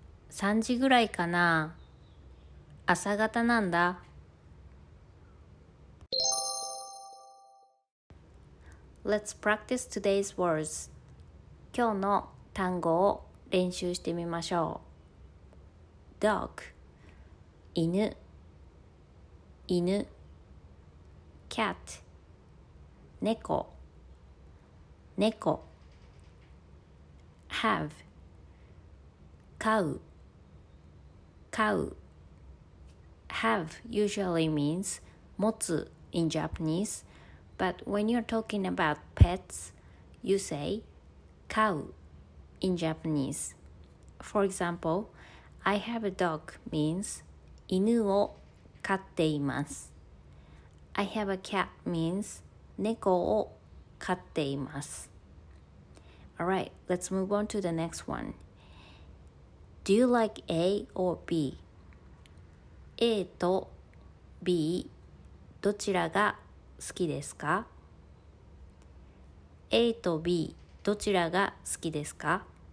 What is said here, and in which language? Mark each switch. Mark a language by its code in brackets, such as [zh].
[ja] 3時ぐらいかな。朝方なんだ。 [en] Let's practice today's words. [ja] 今日の単語を練習してみましょう。 [en] Dog 犬犬 Cat 猫猫 Have 飼う飼う Have usually means 持つ in Japanese, but when you're talking about pets, you say 飼う in Japanese. For example, I have a dog means [ja] 犬を飼っています。 [en] I have a cat means [ja] 猫を飼っています。 [en] Alright, let's move on to the next one. Do you like A or B? [ja] A と B どちらが好きですか? A と B どちらが好きですか?